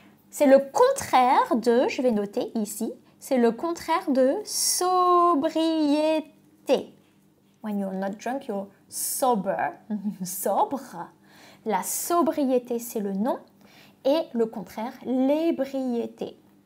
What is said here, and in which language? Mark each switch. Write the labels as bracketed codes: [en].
[fr] C'est le contraire de, je vais noter ici, c'est le contraire de sobriété. [en] When you're not drunk, you're sober. [fr] Sobre. La sobriété, c'est le nom. Et le contraire, l'ébriété.